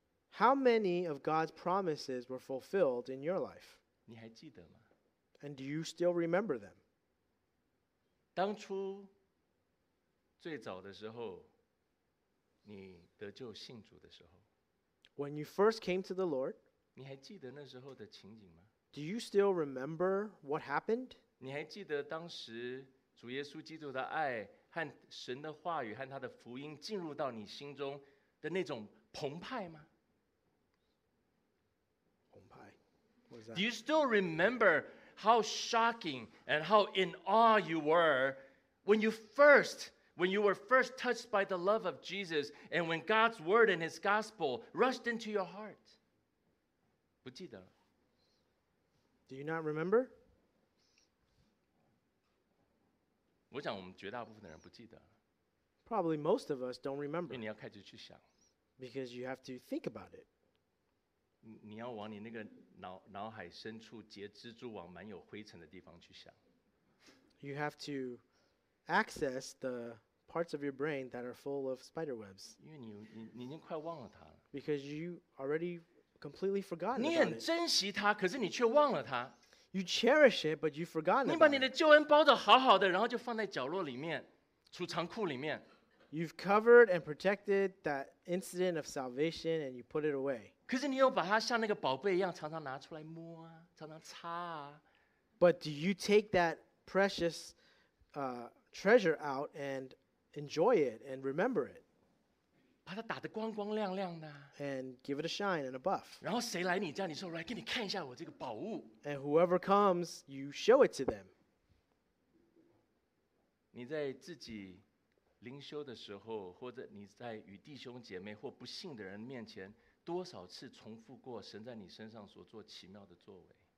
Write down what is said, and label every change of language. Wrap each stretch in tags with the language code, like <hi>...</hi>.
<en>How many of God's promises were fulfilled in your life?</en> <zh>你还记得吗?</zh> <en>And do you still remember them?</en> <zh>当初最早的时候，你得救信主的时候,</zh> <en>When you first came to the Lord,</en> <zh>你还记得那时候的情景吗?</zh> <en>Do you still remember what happened?</en> <zh>你还记得当时主耶稣基督的爱和神的话语和他的福音进入到你心中的那种澎湃吗？澎湃</zh> <en>Do you still remember how shocking and how in awe you were when you were first touched by the love of Jesus and when God's word and his gospel rushed into your heart?</en> <zh>不记得了。</zh> <en>Do you not remember?</en> <zh>我想我们绝大部分的人不记得。</zh> <en>Probably most of us don't remember.</en> <zh>因为你要开始去想。</zh> <en>Because you have to think about it.</en> <zh>你要往你那个脑海深处结蜘蛛网满有灰尘的地方去想。</zh> <en>You have to access the parts of your brain that are full of spider webs.</en> <zh>因为你已经快忘了它了。</zh> <en>Because you already completely forgotten about it.</en> <zh>你很珍惜它，可是你却忘了它。</zh> <en>You cherish it, but you've forgotten it.</en> <zh>你把你的救恩包得好好的，然后就放在角落里面，储藏库里面。</zh> <en>You've covered and protected that incident of salvation, and you put it away.</en> <zh>可是你又把它像那个宝贝一样，常常拿出来摸啊，常常擦啊。</zh> <en>But do you take that precious treasure out and enjoy it and remember it?</en> <zh>把它打得光光亮亮的。</zh> <en>And give it a shine and a buff.</en> <zh>然后谁来你家，你说来给你看一下我这个宝物。</zh> <en>And whoever comes, you show it to them.</en> <zh>你在自己灵修的时候，或者你在与弟兄姐妹或不信的人面前，多少次重复过神在你身上所做奇妙的作为？</zh>